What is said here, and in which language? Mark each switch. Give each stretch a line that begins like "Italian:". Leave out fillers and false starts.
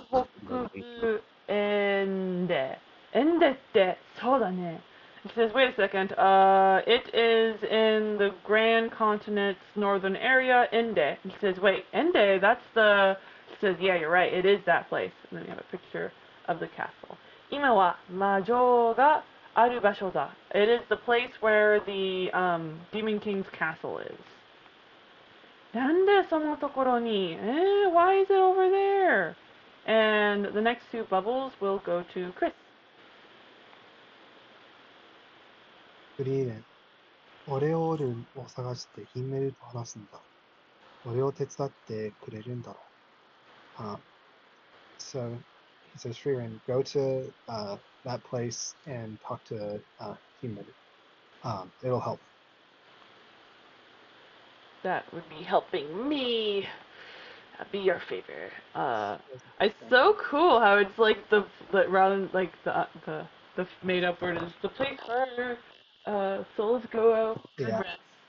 English: place? Endette, it says, wait a second, it is in the Grand Continent's northern area, Ende. He says, wait, Ende, that's the, he says, yeah, you're right, it is that place. And then we have a picture of the castle.
Japanese: 今は魔女がある場所だ.
English: It is the place where the Demon King's castle is. なんでそのところに? Why is it over there? And the next two bubbles will go to Chris.
Japanese: フリーレン、オレオールを探してヒンメルと話すんだ。俺を手伝ってくれるんだろう。
English: So, he says, Frieren, go to that place and talk to Himmel. It'll help. That would be helping me. That'd be your favor. It's so cool how it's like the rather than like the made up word is the place where souls go out and rest.